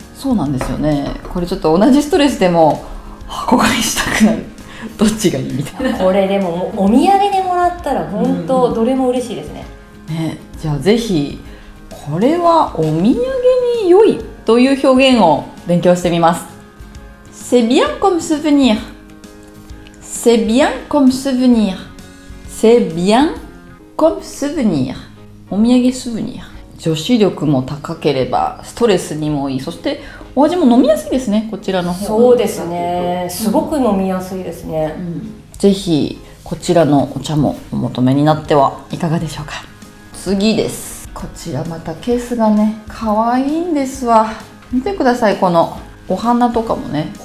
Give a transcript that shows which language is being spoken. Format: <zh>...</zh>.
<ja>そうなんですよね、これちょっと同じストレスでも箱買いしたくなる、どっちがいいみたいなこれでもお土産でもらったら本当どれも嬉しいですね、うん、ね、じゃあぜひこれはお土産に良いという表現を勉強してみます。</ja> <fr>C'est bien comme souvenir. C'est bien comme souvenir. C'est bien comme souvenir.</fr> <ja>お土産スブニア、女子力も高ければストレスにもいい、そしてお味も飲みやすいですね、こちらの方。そうですね、すごく飲みやすいですね、うん、ぜひこちらのお茶もお求めになってはいかがでしょうか。次です、こちらまたケースがね可愛いんですわ、見てください、このお花とかもね、</ja>